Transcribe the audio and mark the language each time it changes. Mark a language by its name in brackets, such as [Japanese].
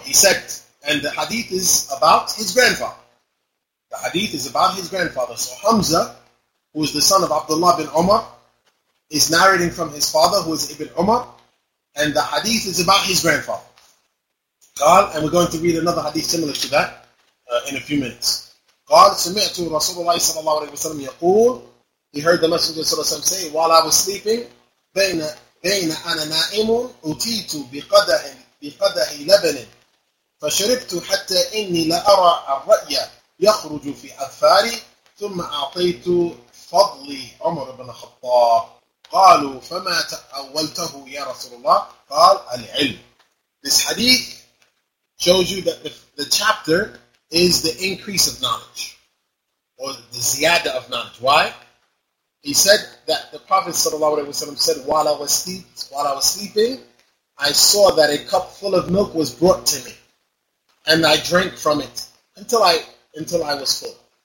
[English] He said, and the hadith is about his grandfather. The hadith is about his grandfather. So Hamza, who is the son of Abdullah bin Umar, is narrating from his father, who is ابن عمر, and the hadith is about his grandfather. [Arabic] قال, [English] and we're going to read another hadith similar to that in a few minutes. [Arabic] قال سمعت رسول الله صلى الله عليه وسلم يقول, [English] he heard the Messenger صلى الله عليه وسلم say, while I was sleeping, [Arabic] بين أنا نائم أتيت بقدح بقدح لبن فشربت حتى إني لأرى الرأي يخرج في أظفاري ثم أعطيت فضلي عمر بن الخطاب قالوا فما تأولته يا رسول الله قال العلم. [English] This hadith shows you that the chapter is the increase of knowledge or the ziyada of knowledge. Why? He said that the Prophet ﷺ said, while I was sleeping, I saw that a cup full of milk was brought to me, and I drank from it until I was full.